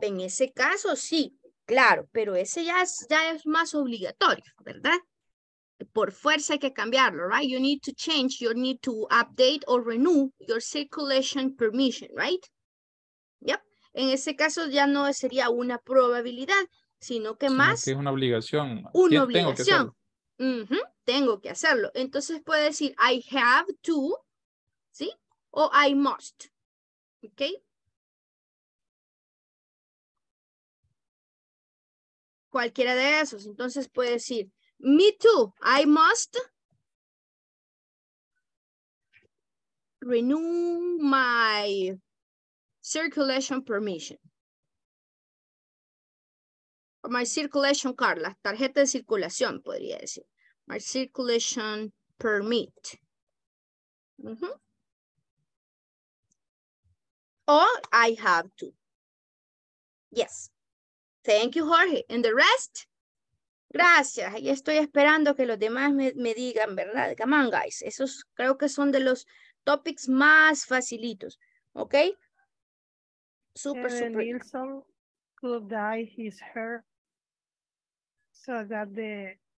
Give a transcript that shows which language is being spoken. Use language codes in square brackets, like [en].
[es] En ese caso, sí, claro, pero ese ya es más obligatorio, ¿verdad? Por fuerza hay que cambiarlo, right? [en] You need to change, you need to update or renew your circulation permission, right? Yep. [es] En ese caso ya no sería una probabilidad, sino más. Que es una obligación. Una obligación. Tengo que hacerlo. Entonces puede decir I have to, ¿sí? O I must. ¿Ok? Cualquiera de esos. Entonces puede decir me too. [en] I must renew my circulation permission. Or my circulation card, la tarjeta de circulación, podría decir. My circulation permit. Or I have to. Yes. Thank you, Jorge. And the rest? Gracias. [es] Ahí estoy esperando que los demás me digan, ¿verdad? Come on, guys. Esos creo que son de los topics más facilitos. ¿Ok? Super. [en] Nilsson could dye his hair so that the